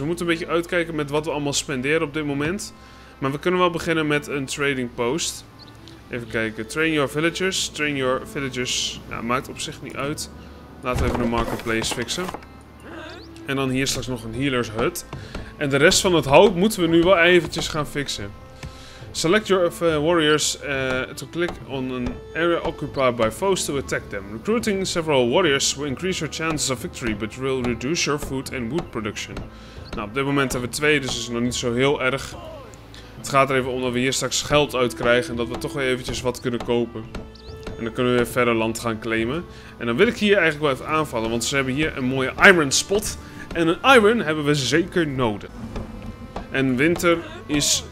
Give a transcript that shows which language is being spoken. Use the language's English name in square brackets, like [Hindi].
[Dutch] Dus we moeten een beetje uitkijken met wat we allemaal spenderen op dit moment. Maar we kunnen wel beginnen met een trading post. Even kijken. [English] Train your villagers. Train your villagers. [Dutch] Ja, maakt op zich niet uit. Laten we even een marketplace fixen. En dan hier straks nog een healer's hut. En de rest van het hout moeten we nu wel eventjes gaan fixen. [English] Select your warriors to click on an area occupied by foes to attack them. Recruiting several warriors will increase your chances of victory, but will reduce your food and wood production. [Dutch] Nou, op dit moment hebben we 2, dus is het nog niet zo heel erg. Het gaat er even om dat we hier straks geld uitkrijgen en dat we toch weer eventjes wat kunnen kopen. En dan kunnen we weer verder land gaan claimen. En dan wil ik hier eigenlijk wel even aanvallen, want ze hebben hier een mooie iron spot. En een iron hebben we zeker nodig. En winter is...